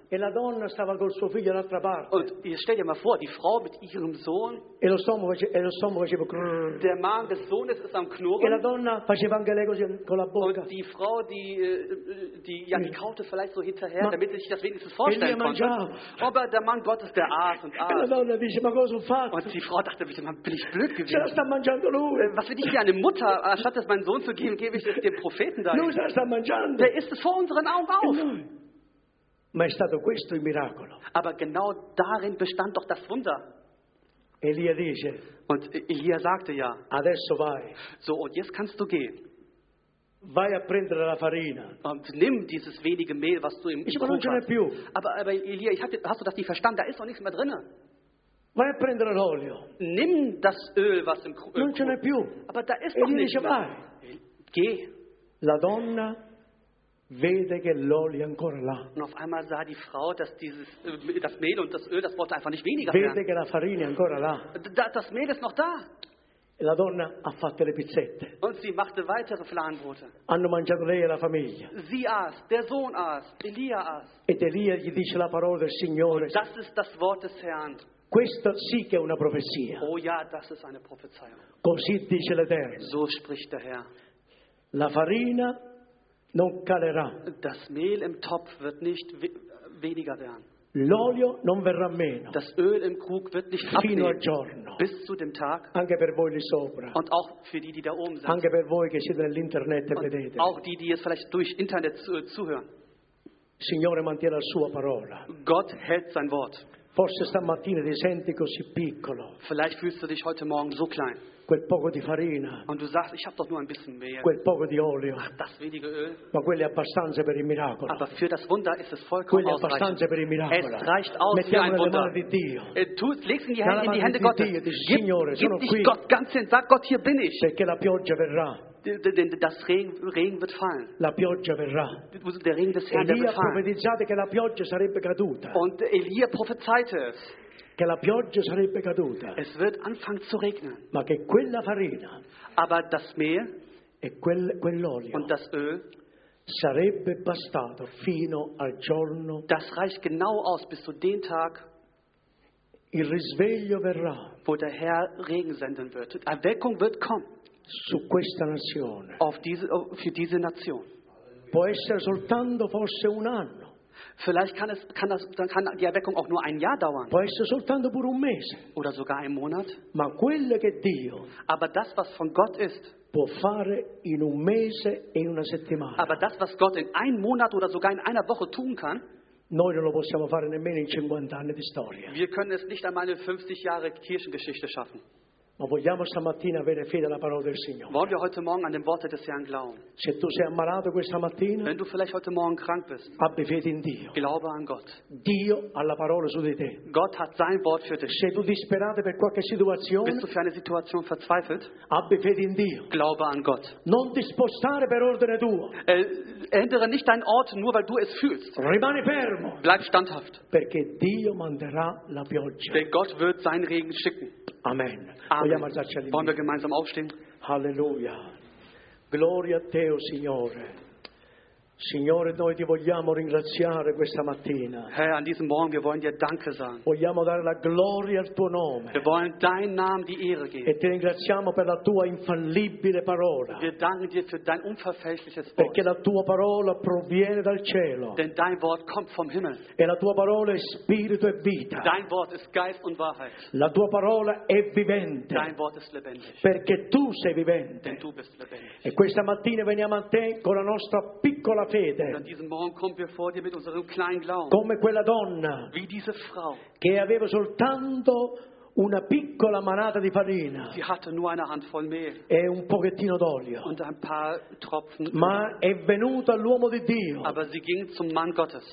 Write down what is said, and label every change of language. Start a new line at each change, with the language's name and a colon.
Italian: E la donna stava col suo figlio all'altra parte.
German: Und stell dir mal vor, die Frau mit ihrem Sohn. Der Mann des Sohnes ist am Knurren.
Italian: E la donna faceva anche lei così con la bocca.
German: Und die Frau, die kaute vielleicht so hinterher, damit sie sich das wenigstens vorstellen konnte. Aber der Mann Gottes, der aß und aß.
Italian: E la donna dice, ma cosa ho fatto?
German: Und die Frau dachte, bin ich blöd gewesen?
Italian: Ce la sta mangiando lui.
German: Was will ich hier eine Mutter? Statt es meinem Sohn zu geben, gebe ich es dem Propheten da. Der isst es vor unseren Augen auf.
Italian: Ma è stato questo il miracolo.
German: Aber genau darin bestand doch das Wunder.
Italian: Elia dice,
German: und Elia sagte ja.
Italian: Adesso vai.
German: So, und jetzt kannst du gehen.
Italian: Vai a prendere la farina.
German: Und nimm dieses wenige Mehl, was du im Kuchen hast.
Italian: Più.
German: Aber Elia, hast du das nicht verstanden? Da ist doch nichts mehr drin.
Italian: Vai a prendere l'olio.
German: Nimm das Öl, was im
Italian: Kuchen. Non ce n'è più.
German: Aber da ist doch nicht mehr. Geh.
Italian: La donna vede che l'olio ancora là.
German: Und auf einmal sah die Frau, dass das Mehl und das Öl, das wurde einfach nicht weniger.
Italian: Vede che la farina ancora là.
German: Das Mehl ist noch da.
Italian: La donna ha fatto le pizzette.
German: Und sie machte weitere Flanbrote.
Italian: Hanno mangiato lei e la famiglia.
German: Sie aß, der Sohn aß, Elia aß.
Italian: Ed Elia gli dice la parola del Signore.
German: Das ist das Wort des Herrn.
Italian: Questa sì che è una profezia.
German: Oh ja, das ist eine Prophezeiung.
Italian: Così dice l'Eterno.
German: So spricht der Herr.
Italian: La farina non calerà.
German: Das Mehl im Topf wird nicht weniger werden.
Italian: L'olio non verrà meno.
German: Das Öl im Krug wird nicht
Italian: fino Al giorno.
German: Bis zu dem Tag.
Italian: Anche per voi lì sopra.
German: Und auch für die da oben sind.
Italian: Anche per voi che siete nell'internet
German: und
Italian: vedete.
German: Auch die jetzt vielleicht durch Internet zuhören.
Italian: Signore mantiene la sua parola.
German: Gott hält sein Wort.
Italian: Forse stamattina ti senti così piccolo.
German: Vielleicht fühlst du dich heute Morgen so klein.
Italian: Quel poco di farina.
German: Und du sagst, ich habe doch nur ein bisschen mehr.
Italian: Quel poco di olio.
German: Ach, das wenige Öl.
Italian: Ma quello è abbastanza per il miracolo.
German: Aber für das Wunder ist es vollkommen ausreichend.
Italian: Per il miracolo.
German: Es reicht aus
Italian: Mettiamo
German: für ein Wunder.
Italian: Mettiamo le mani di Dio.
German: Legst in die Hände, Gottes.
Italian: Dio, dici, Signore,
German: gib
Italian: sono
German: dich
Italian: qui.
German: Gott ganz hin. Sag Gott, hier bin ich.
Italian: Perché la pioggia verrà.
German: Das Regen wird fallen.
Italian: La pioggia verrà.
German: Der Regen des Herrn
Italian: Elia
German: wird fallen.
Italian: Profetizzate che la pioggia sarebbe caduta.
German: Und Elia prophezeite es.
Italian: Che la pioggia sarebbe caduta.
German: Es wird anfangen zu regnen.
Italian: Ma che quella farina.
German: Aber das Mehl.
Italian: E quell'olio.
German: Und das Öl.
Italian: Sarebbe bastato fino al giorno.
German: Das reicht genau aus bis zu dem Tag.
Italian: Il risveglio verrà.
German: Wo der Herr Regen senden wird. Erweckung wird kommen.
Italian: Su questa nazione.
German: Auf diese, für diese Nation.
Italian: Può essere soltanto forse un anno.
German: Vielleicht kann die Erweckung auch nur ein Jahr dauern.
Italian: Può essere soltanto pure un mese.
German: Oder sogar ein Monat.
Italian: Ma quello che Dio.
German: Aber das, was von Gott ist.
Italian: Può fare in un mese e in una settimana.
German: Aber das, was Gott in einem Monat oder sogar in einer Woche tun kann.
Italian: Noi non lo possiamo fare nemmeno in 50 anni di storia.
German: Wir können es nicht einmal in 50 Jahre Kirchengeschichte schaffen.
Italian: Ma vogliamo stamattina avere fede alla parola del Signore.
German: Wollen wir heute morgen an den Worte des Herrn glauben?
Italian: Se tu sei ammalato questa mattina,
German: wenn du vielleicht heute morgen krank bist,
Italian: abbi fede in Dio.
German: Glaube an Gott.
Italian: Dio ha la parola su di te.
German: Gott hat sein Wort für dich.
Italian: Se tu disperato per qualche situazione,
German: bist du für eine Situation verzweifelt,
Italian: abbi fede in Dio.
German: Glaube an Gott.
Italian: Non ti spostare per ordine tuo.
German: Ändere nicht deinen Ort nur weil du es fühlst.
Italian: Rimani fermo.
German: Bleib standhaft.
Italian: Perché Dio manderà la pioggia.
German: Denn Gott wird seinen Regen schicken.
Italian: Amen.
German: Amen. Wollen wir gemeinsam aufstehen?
Italian: Halleluja. Gloria a te, o Signore. Signore, noi ti vogliamo ringraziare questa mattina.
German: Herr, an diesem Morgen, wir wollen dir Danke sagen.
Italian: Vogliamo dare la gloria al tuo nome.
German: Wir wollen dein Namen die Ehre geben.
Italian: E ti ringraziamo per la tua infallibile parola.
German: Wir danken dir für dein unverfälschliches Wort.
Italian: Perché la tua parola proviene dal cielo.
German: Denn dein Wort kommt vom Himmel.
Italian: E la tua parola è spirito e vita.
German: Dein Wort ist Geist und Wahrheit.
Italian: La tua parola è vivente.
German: Dein Wort ist lebendig.
Italian: Perché tu sei vivente.
German: Denn tu bist lebendig.
Italian: E questa mattina veniamo a te con la nostra piccola fede.
German: Und an diesem Morgen kommen wir vor dir mit unserem kleinen Glauben.
Italian: Come quella donna,
German: wie diese Frau,
Italian: che aveva soltanto una piccola manata di farina.
German: Sie hatte nur eine Handvoll Mehl.
Italian: E un pochettino d'olio.
German: Und ein paar Tropfen.
Italian: Ma è venuta l'uomo di Dio.
German: Aber sie ging zum Mann Gottes.